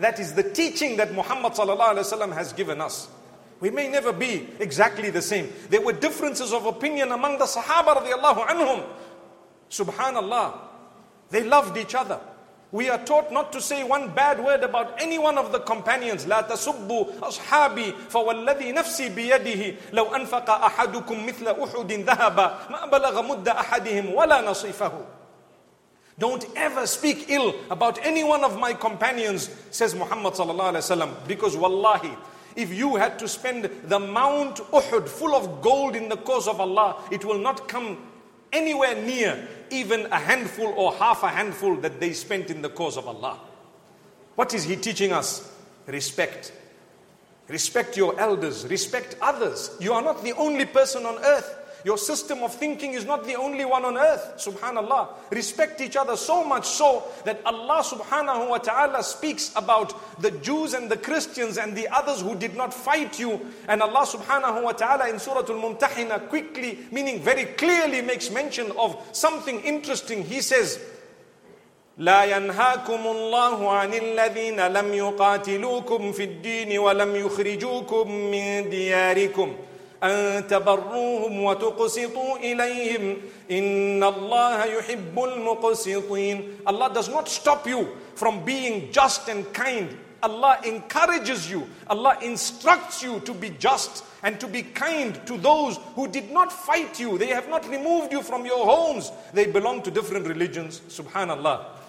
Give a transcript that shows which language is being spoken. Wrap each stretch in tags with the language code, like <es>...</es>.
<en>That is the teaching that Muhammad sallallahu alaihi wasallam has given us. We may never be exactly the same. There were differences of opinion among the Sahaba radiallahu anhum. Subhanallah. They loved each other. We are taught not to say one bad word about any one of the companions.</en> <ar>لا تسبوا أصحابي فوالذي نفسي بيده لو أنفق أحدكم مثل أحد ذهبا ما بلغ مد أحدهم ولا نصيفه.</ar> <en>Don't ever speak ill about any one of my companions, says Muhammad sallallahu alaihi wasallam, because wallahi, if you had to spend the Mount Uhud full of gold in the cause of Allah, it will not come anywhere near even a handful or half a handful that they spent in the cause of Allah. What is he teaching us? Respect. Respect your elders. Respect others. You are not the only person on earth. Your system of thinking is not the only one on earth. Subhanallah. Respect each other so much so that Allah subhanahu wa ta'ala speaks about the Jews and the Christians and the others who did not fight you. And Allah subhanahu wa ta'ala in Surah Al-Mumtahina quickly, meaning very clearly, makes mention of something interesting. He says,</en> <ar>لا ينهاكم الله عن الذين لم يقاتلوكم في الدين ولم يخرجوكم من دياركم أن تبروهم وتقسطوا إليهم إن الله يحب المقسطين.</ar> <en>Allah does not stop you from being just and kind. Allah encourages you. Allah instructs you to be just and to be kind to those who did not fight you. They have not removed you from your homes. They belong to different religions. Subhanallah.</en>